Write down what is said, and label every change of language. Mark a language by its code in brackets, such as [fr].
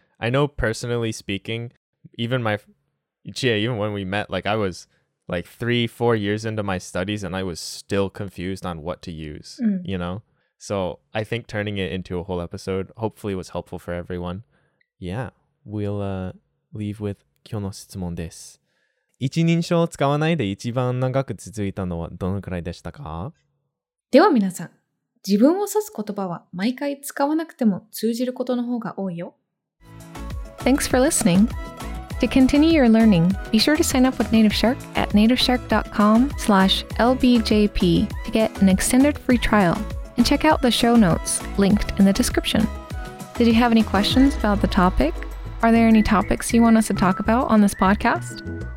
[en] I know personally speaking, even my Chie, even when we met, like I was like 3-4 years into my studies and I was still confused on what to use, you know? So I think turning it into a whole episode hopefully was helpful for everyone. Yeah, we'll leave with [ja] kyou no shitsumon desu. 一人称を使わないで一番長く続いたのはどのくらいでしたか? では皆さん、自分を指す言葉は毎回使わなくても通じることの方が多いよ。 [en] Thanks for listening. To continue your learning, be sure to sign up with Native Shark at nativeshark.com/LBJP to get an extended free trial and check out the show notes linked in the description. Did you have any questions about the topic? Are there any topics you want us to talk about on this podcast?